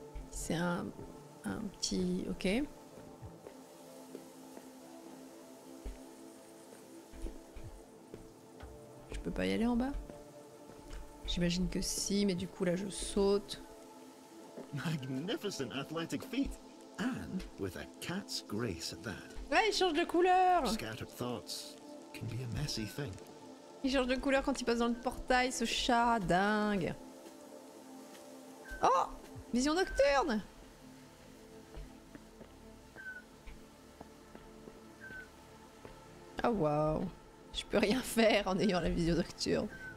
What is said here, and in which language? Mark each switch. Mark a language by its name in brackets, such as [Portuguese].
[French] C'est un petit... Ok. Je peux pas y aller en bas? J'imagine que si, mais du coup là je saute. [English] Magnificent athletic feat, and with a cat's grace at that. [French] Ouais, il change de couleur. [English] Scattered thoughts can be a messy thing. [French] Il change de couleur quand il passe dans le portail, ce chat dingue. Oh, vision nocturne. Ah, oh, waouh, je peux rien faire en ayant la vision nocturne.